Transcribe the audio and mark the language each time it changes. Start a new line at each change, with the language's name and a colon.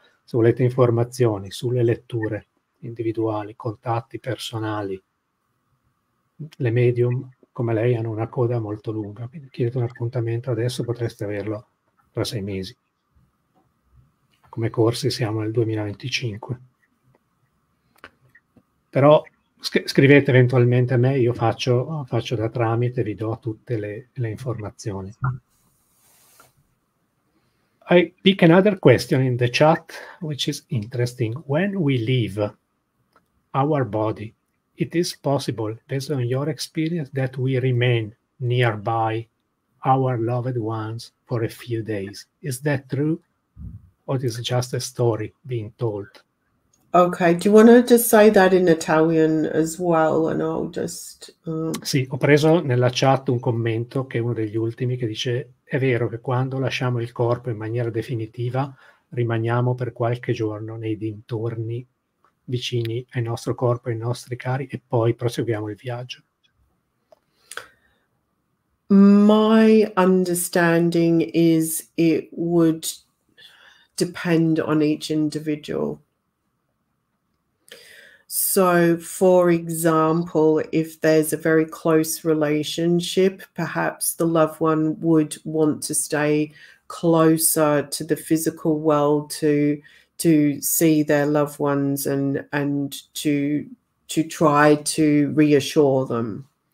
Italian: se volete informazioni sulle letture individuali, contatti personali, le medium come lei hanno una coda molto lunga, quindi chiedete un appuntamento adesso, potreste averlo tra 6 mesi. Come corsi siamo nel 2025. Però scrivete eventualmente a me, io faccio da tramite, vi do tutte le informazioni.
English: I pick another question in the chat, which is interesting. When we leave our body, it is possible, based on your experience, that we remain nearby our loved ones for a few days. Is that true? Or is it just a story being told? Okay, do you want to just say that in Italian as well? And I'll just...
Italian: Sì, ho preso nella chat un commento che è uno degli ultimi, che dice: è vero che quando lasciamo il corpo in maniera definitiva, rimaniamo per qualche giorno nei dintorni vicini al nostro corpo e ai nostri cari, e poi proseguiamo il viaggio.
English: My understanding is it would depend on each individual. So, for example, if there's a very close relationship, perhaps the loved one would want to stay closer to the physical world to see their loved ones and to try to reassure them.